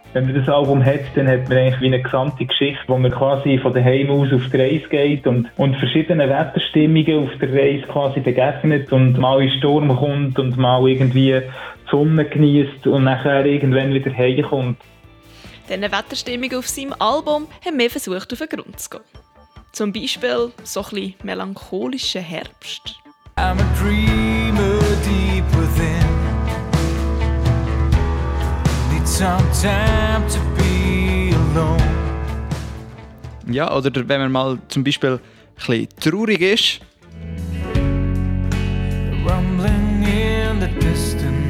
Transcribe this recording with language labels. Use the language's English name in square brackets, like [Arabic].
[German] Wenn man das Album hat, dann hat man eigentlich wie eine gesamte Geschichte, wo man quasi von daheim aus auf die Reise geht und verschiedene Wetterstimmungen auf der Reise quasi begegnet und mal ein Sturm kommt und mal irgendwie Sonne genießt und nachher irgendwann wieder heimkommt. Diese Wetterstimmung auf seinem Album haben wir versucht, auf den Grund zu gehen. Zum Beispiel so ein bisschen melancholischer Herbst. [English] I'm a dreamer deep within. Need some time to be alone. [German] Ja, oder wenn man mal zum Beispiel ein bisschen traurig ist. [English] Rumbling in the distance.